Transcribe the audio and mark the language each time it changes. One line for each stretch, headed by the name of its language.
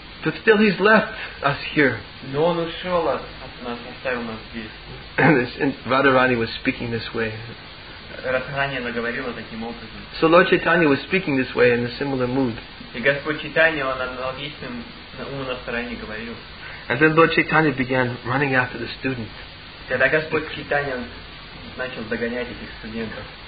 English: But still he's left us here.
Russian: Но он ушел от нас, оставил нас здесь.
English: And Radharani was speaking this way.
Russian: Радхарани наговорила таким образом.
English: So Lord Chaitanya was speaking this way in a similar mood.
Russian: И Господь Чайтанья, он аналогичным умом настроением говорил.
English: And then Lord Chaitanya began running after the student.
Russian: Тогда Господь Чайтанья начал догонять этих студентов.